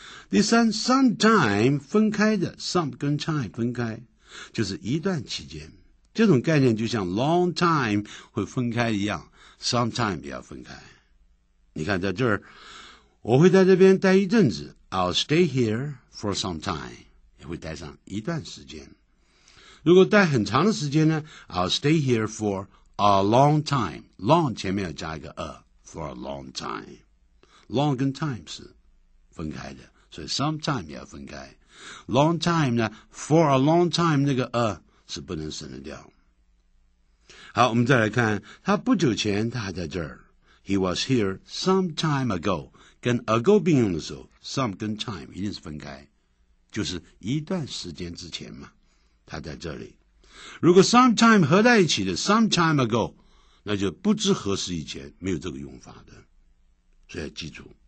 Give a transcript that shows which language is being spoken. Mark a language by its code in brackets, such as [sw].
[zh] 第三 sometime 分开的 some 跟 time 分开，就是一段期间，这种概念就像 [en] long time [zh] 会分开一样， sometime 也要分开。你看在这儿，我会在这边待一阵子， [en] I'll stay here for some time， [zh] 也会待上一段时间。如果待很长的时间呢， [en] I'll stay here for a long time， [zh] long 前面要加一个 a， [en] for a long time， [zh] long 跟 time 是分开的，所以 sometime 也要分开。 long time 呢， [en] for a long time [zh] 那个 a是不能省得掉。好，我们再来看，他不久前他还在这儿。 [en] He was here some time ago， [zh] 跟 ago 并用的时候 ，some 跟 time 一定是分开，就是一段时间之前嘛。他在这里，如果 some time 合在一起的 [en] some time ago， [zh] 那就不知何时以前，没有这个用法的，所以要记住。